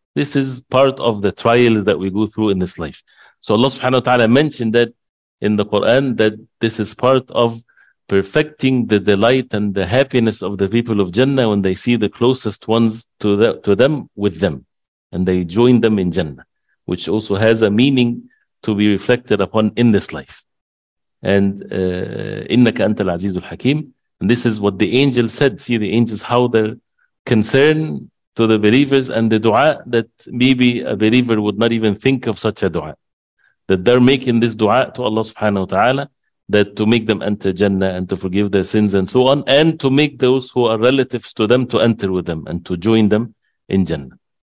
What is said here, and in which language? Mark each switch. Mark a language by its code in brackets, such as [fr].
[en] This is part of the trials that we go through in this life. So Allah subhanahu wa ta'ala mentioned that in the Quran, that this is part of perfecting the delight and the happiness of the people of Jannah when they see the closest ones to them with them. And they join them in Jannah, which also has a meaning to be reflected upon in this life. [ar] And إِنَّكَ أَنْتَ الْعَزِيزُ الْحَكِيمُ. [en] And this is what the angels said. See the angels, how their concern to the believers and the dua that maybe a believer would not even think of such a dua. That they're making this dua to Allah subhanahu wa ta'ala that to make them enter Jannah and to forgive their sins and so on, and to make those who are relatives to them to enter with them and to join them in Jannah.